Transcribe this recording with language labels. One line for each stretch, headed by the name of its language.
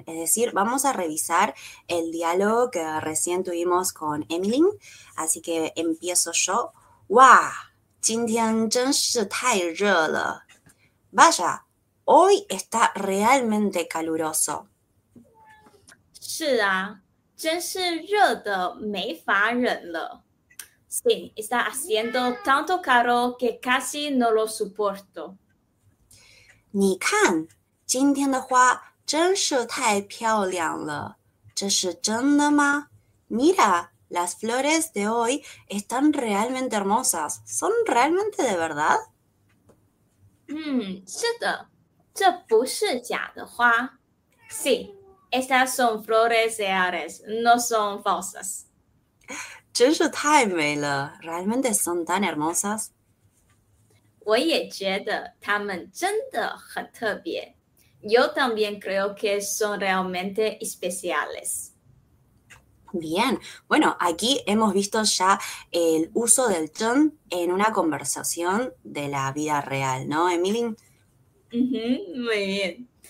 Spanish: Es decir, vamos a revisar el diálogo que recién tuvimos con Emily. Así que empiezo yo. ¡Wow!
Chinese: ¡今天真是太热了!
Spanish: Vaya, hoy está realmente caluroso.
Chinese: 是啊，真是热得没法忍了。
Spanish: Sí, está haciendo tanto calor que casi no lo soporto.
Chinese: 你看，今天的花真是太漂亮了。这是真的吗？
Spanish: Mira, las flores de hoy están realmente hermosas. ¿Son realmente de verdad?
Chinese: 是的，这不是假的花。Sí。
Spanish: Estas son flores reales, no son falsas.
Chinese: 真是太美了，
Spanish: realmente son tan hermosas.
Chinese: 我也觉得它们真的很特别。
Spanish: Yo también creo que son realmente especiales. Bien, bueno, aquí hemos visto ya el uso del chun en una conversación de la vida real, ¿no, Emily? Muy bien.